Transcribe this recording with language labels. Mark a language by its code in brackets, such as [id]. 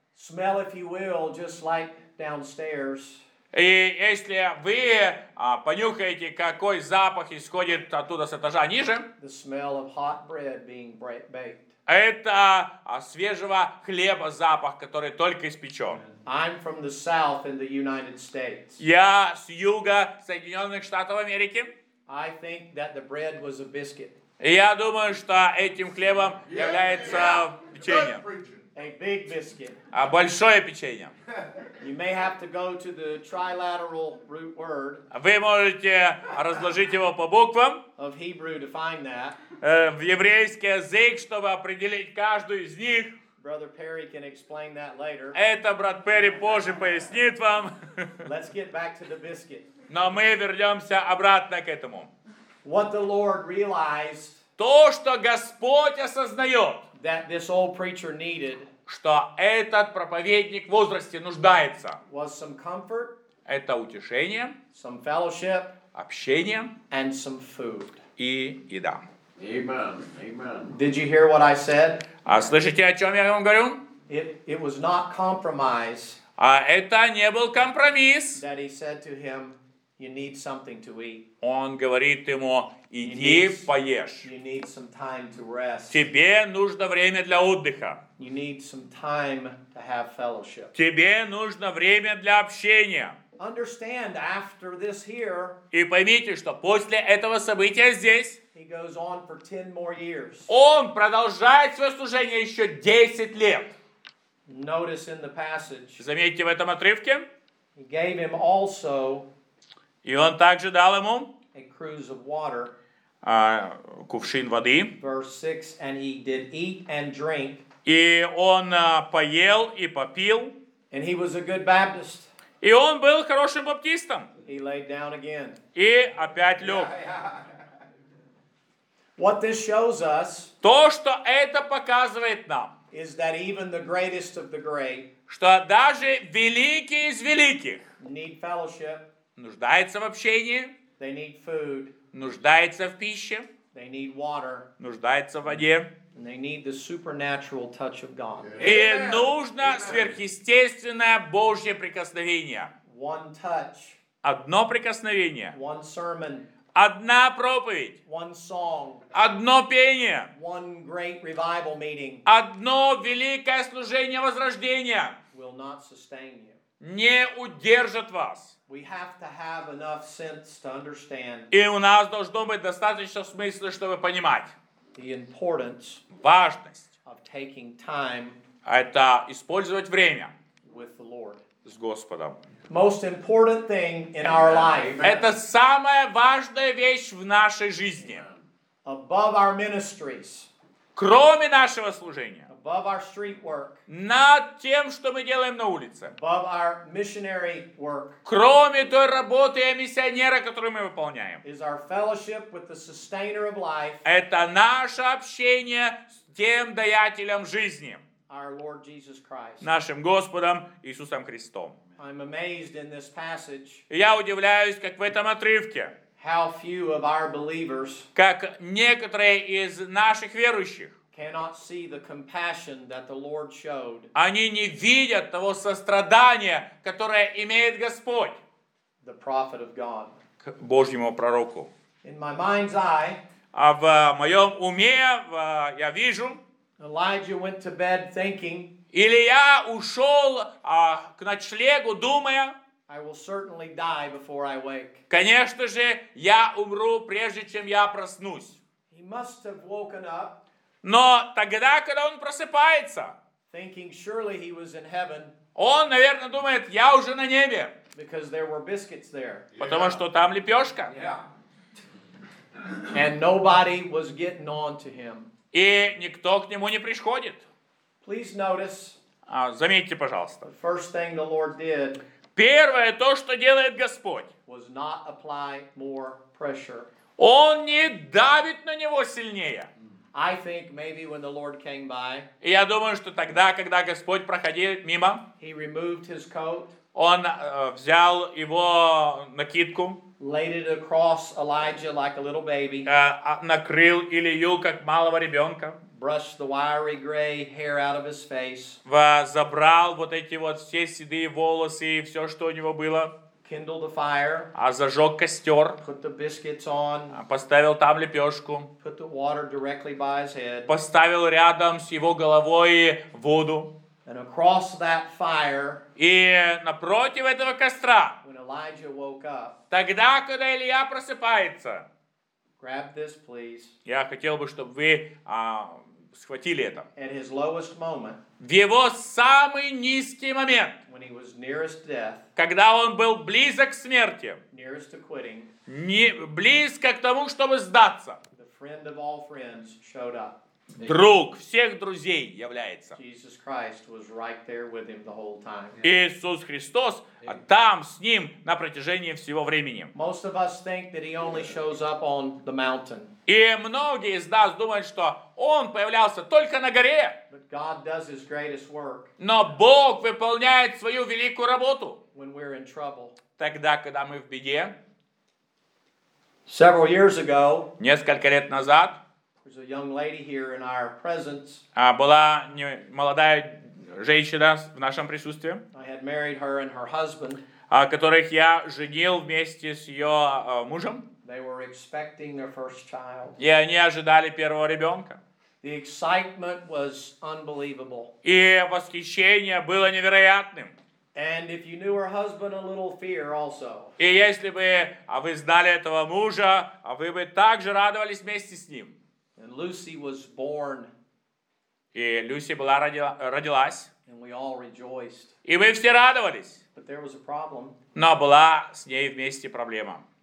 [en] Smell, if you will, just like downstairs. [ru] И если вы понюхаете, какой запах исходит оттуда с этажа ниже, [en] the smell of hot bread being baked. [ru] Это свежего хлеба запах, который только испечен. [en] I'm from the south in the United States. [ru] Я с юга Соединенных Штатов Америки. [en] I think that the bread was a biscuit. [ru] Я думаю, что этим хлебом является печенье. [en] A big biscuit. [ru] А большое печенье. [en] You may have to go to the trilateral root word. [ru] Вы можете разложить его по буквам. [en] Of Hebrew to find that. [ru] В еврейский язык, чтобы определить каждую из них. [en] Brother Perry can explain that later. [ru] Это брат Перри позже пояснит вам. [en] Let's get back to the biscuit. [ru] Но мы вернемся обратно к этому. [en] What the Lord realized. [ru] то, что Господь осознает, [en] that this old preacher needed, [ru] что этот проповедник в возрасте нуждается, [en] was some comfort, [ru] это утешение, [en] some fellowship, [ru] общение [en] and some food. [ru] И еда. [en] Amen. Amen. Did you hear what I said? [ru] А слышите, о чем я вам говорю? [en] It was not compromise. [ru] А это не был компромисс. [en] That he said to him, you need something to eat. [ru] Он говорит ему, иди поешь. [en] You need some time to rest. [ru] Тебе нужно время для отдыха. [en] You need some time to have fellowship. [ru] Тебе нужно время для общения. [en] Understand after this here. [ru] И поймите, что после этого события здесь. [en] He goes on for 10 more years. [ru] Он продолжает свое служение еще 10 лет. [en] Notice in the passage. [ru] Заметьте в этом отрывке. [en] He gave him also. [ru] И он также дал ему. [en] A cruse of water. [ru] Кувшин воды. [en] Verse 6, and he did eat and drink. [ru] И он поел и попил. [en] And he was a good Baptist. [ru] И он был хорошим баптистом. [en] He laid down again. [ru] И опять лег. [en] What this shows us, [ru] то, что это показывает нам, [en] is that even the greatest of the great, [ru] что даже великий из великих, [en] need fellowship, [ru] нуждается в общении, [en] they need food, [ru] нуждается в пище, [en] they need water, [ru] нуждается в воде. [en] And they need the supernatural touch of God. [ru] И нужно сверхъестественное Божье прикосновение. [en] One touch. [ru] Одно прикосновение. [en] One sermon. [ru] Одна проповедь. [en] One song. [ru] Одно пение. [en] One great revival meeting. [ru] Одно великое служение возрождения. [en] Will not sustain you. [ru] Не удержит вас. [en] We have to have enough sense to understand. [ru] И у нас должно быть достаточно смысла, чтобы понимать. [en] The importance, [ru] важность, [en] of taking time, [ru] это использовать время, [en] with the Lord, [ru] с Господом. [en] Most important thing in our life, [ru] это самая важная вещь в нашей жизни. [en] Above our ministries, [ru] кроме нашего служения, [en] above our street work, [ru] над тем, что мы делаем на улице, [en] above our missionary work, [ru] кроме той работы и миссионера, которую мы выполняем, [en] is our fellowship with the sustainer of life, [ru] это наше общение с тем даятелем жизни, [en] our Lord Jesus Christ, [ru] нашим Господом Иисусом Христом. [en] I'm amazed in this passage, [ru] я удивляюсь, как в этом отрывке, [en] how few of our believers, [ru] как некоторые из наших верующих, [en] cannot see the compassion that the Lord showed. [ru] Они не видят того сострадания, которое имеет Господь. [en] The prophet of God. [ru] К Божьему пророку. [en] In my mind's eye. [ru] А в моем уме я вижу. [en] Elijah went to bed thinking. [ru] Илия ушел к ночлегу, думая. [en] I will certainly die before I wake. [ru] Конечно же, я умру, прежде чем я проснусь. [en] He must have woken up. [ru] Но тогда, когда он просыпается, [en] thinking, surely he was in heaven, [ru] он, наверное, думает, я уже на небе. [en] Because there were biscuits there. Yeah. [ru] Потому что там лепешка. [en] Yeah. And nobody was getting on to him. [ru] И никто к нему не приходит. [en] Please notice, [ru] заметьте, пожалуйста. [en] The first thing the Lord did, [ru] первое то, что делает Господь, [en] was not apply more pressure. [ru] Он не давит на него сильнее. [en] I think maybe when the Lord came by, [ru] и я думаю, что тогда, когда Господь проходил мимо, [en] he removed his coat, [ru] он взял его накидку, [en] laid it across Elijah like a little baby, [ru] накрыл Илию как малого ребенка, [en] brushed the wiry gray hair out of his face, [ru] забрал вот эти вот все седые волосы и все, что у него было, [en] kindled the fire, [ru] а зажег костер, [en] put the biscuits on, [ru] поставил там лепешку, [en] put the water directly by his head, [ru] поставил рядом с его головой воду, [en] and across that fire, [ru] и напротив этого костра, [en] when Elijah woke up, [ru] тогда, когда Илия просыпается, [en] grab this, please, [ru] я хотел бы, чтобы вы схватили это. [en] At his lowest moment, [ru] в его самый низкий момент, [en] when he was nearest death, [ru] когда он был близок к смерти, [en] nearest to quitting, [ru] близко к тому, чтобы сдаться, [en] the friend of all friends showed up. [ru] Друг всех друзей является. [en] Jesus Christ was right there with him the whole time. [ru] Иисус Христос там с ним на протяжении всего времени. [en] Most of us think that he only shows up on the mountain. [ru] И многие из нас думают, что он появлялся только на горе. [en] But God does his greatest work. [ru] Но Бог выполняет свою великую работу. [en] When we're in trouble. [ru] Тогда, когда мы в беде. [en] Several years ago. [ru] Несколько лет назад. [en] There's a young lady here in our presence. [ru] Была молодая женщина в нашем присутствии. [en] I had married her and her husband. [ru] Которых я женил вместе с ее мужем. [en] They were expecting their first child. [ru] И они ожидали первого ребенка. [en] The excitement was unbelievable. [ru] И восхищение было невероятным. [en] And if you knew her husband, a little fear also. [ru] И если бы вы знали этого мужа, вы бы также радовались вместе с ним. [en] And Lucy was born. [ru] И Люси была родилась. [en] And we all rejoiced. [ru] И мы все радовались. [en] But there was a problem. [ru] Но была с ней вместе проблема.